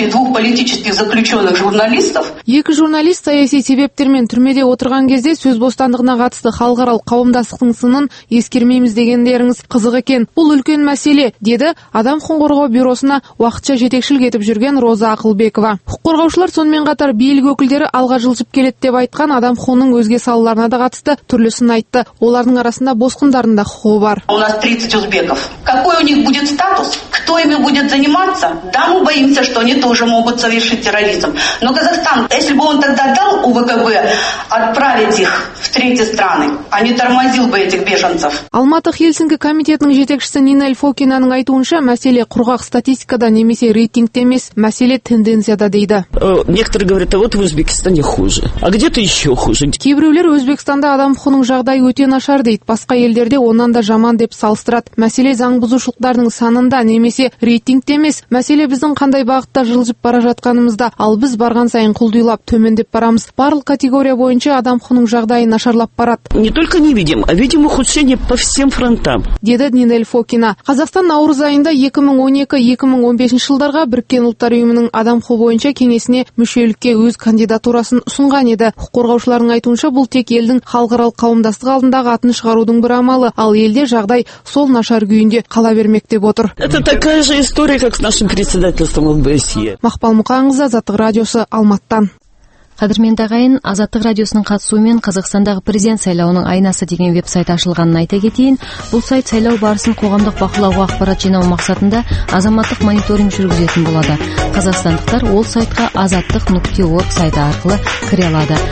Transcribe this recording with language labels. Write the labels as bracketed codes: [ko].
[kk] Екі журналист саяси себептермен түрмеде отырған кезде сөз бостандығына қатысты халықаралық қауымдастықтың сынын ескермейміз дегендеріңіз қызық екен. Бұл үлкен мәселе, деді адам құқығын қорғау бюросына уақытша жетекшілік етіп жүрген Роза Ақылбекова. Құқық қорғаушылар сонымен қатар билік өкілдері алға жылжып келеді деп айтқан адам құқығының өзге салаларына да қатысты түрлісін айтты. Олардың арасында босқындардың да құқығы бар. [ru] У нас 30 узбеков. Какой у них будет статус? Кто ими будет заниматься? Да, мы боимся, что они тоже могут совершить терроризм. Но Казахстан, если бы он тогда дал УВКБ отправить их в третьи страны, а не тормозил бы этих беженцев. [kk] Алматы Хельсинки комитетінің жетекшісі Нинель Фокинаның айтуынша, мәселе құрғақ статистикада немесе рейтингте емес, мәселе тенденцияда дейді. [ru] Некоторые говорят, а вот в Узбекистане хуже. А где-то еще хуже. [kk] Кейбіреулер Өзбекстанда адам құқығының жағдайы өте нашар дейді, басқа елдерде онан да жаман деп салыстырады. Мәселе заң бұзушылықтардың санында немесе рейтингте емес, мәселе біздің қандай бағытта жылжып бара жатқанымызда, ал біз барған сайын құлдилап төмендеп барамыз. Барлық категория бойынша адам құқығының жағдайы нашарлап барады. [ru] Не только не видим, а видим ухудшение по всем фронтам. [kk] Деді Нинель Фокина. Қазақстан наурыз айында 2012-2015 жылдарға Біріккен ұлттар ұйымының адам құқығы бойынша кеңесіне мүшелікке өз кандидатурасын ұсынған еді. Құқық қорғаушылардың айтуынша, бұл тек елдің халықаралық қауымдастық алдындағы атын шығарудың бір амалы, ал елде жағдай сол нашар күйінде қала бермек деп отыр. [ru] Это такая же история, как с нашим председательством в БСЕ. [kk] Мақпал Мұқанқызы, Азаттық радиосы, Алматыдан. Қадірмен тағайын, Азаттық радиосының қатысуымен Қазақстандағы президент сайлауының айнасы деген вебсайт ашылғанын айта кетейін. Бұл сайт сайлау барысын қоғамдық бақылауға ақпарат жинау мақсатында азаматтық мониторинг жүргізетін болады. Қазақстандықтар ол сайтқа azattiq.org сайты арқылы кіре алады.